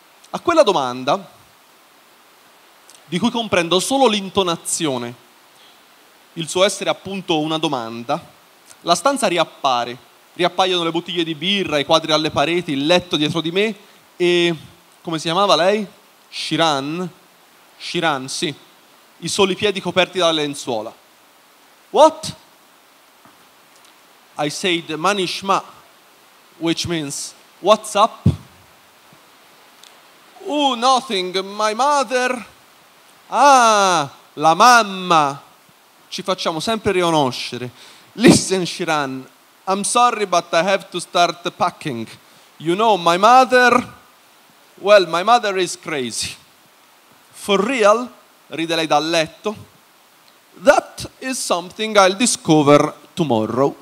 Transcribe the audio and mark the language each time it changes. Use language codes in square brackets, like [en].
[it] A quella domanda, di cui comprendo solo l'intonazione, il suo essere appunto una domanda, la stanza riappare, riappaiono le bottiglie di birra, i quadri alle pareti, il letto dietro di me e, come si chiamava lei? Shiran, sì, i soli piedi coperti dalla lenzuola. [en] What? I said Manishma, which means what's up? Oh, nothing, my mother. [it] Ah, la mamma. Ci facciamo sempre riconoscere. [en] Listen, Shiran, I'm sorry, but I have to start packing. You know, my mother... Well, my mother is crazy. For real? [it] Ride lei dal letto. [en] That is something I'll discover tomorrow.